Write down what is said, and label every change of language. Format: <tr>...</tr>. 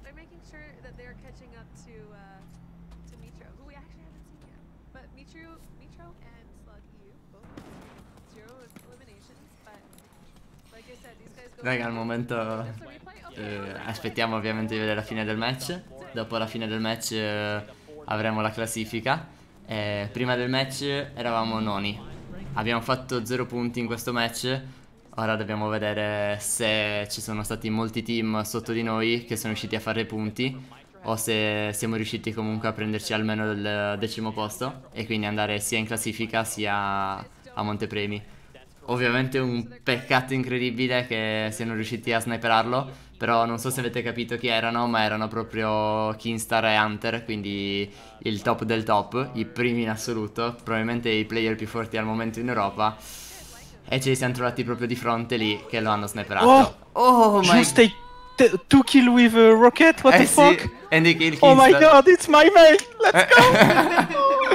<en>They're making sure that they're catching up to Mitro, who we actually haven't seen yet. But Mitro and Slug EU both have zero eliminations, but like I said, these guys go.</en> <it>Raga, al momento. Aspettiamo ovviamente di vedere la fine del match. Dopo la fine del match avremo la classifica. Prima del match eravamo noni. Abbiamo fatto 0 punti in questo match. Ora dobbiamo vedere se ci sono stati molti team sotto di noi che sono riusciti a fare punti, o se siamo riusciti comunque a prenderci almeno il decimo posto e quindi andare sia in classifica sia a Montepremi. Ovviamente un peccato incredibile che siano riusciti a sniperarlo, però non so se avete capito chi erano, ma erano proprio Kingstar e Hunter, quindi il top del top, i primi in assoluto, probabilmente i player più forti al momento in Europa. E ce li siamo trovati proprio di fronte lì, che lo hanno sniperato.</it> <en>Oh, oh my god! Just two kill with a rocket, what the fuck? And they kill Kingstar. Oh my god, it's my mate, let's go!</en>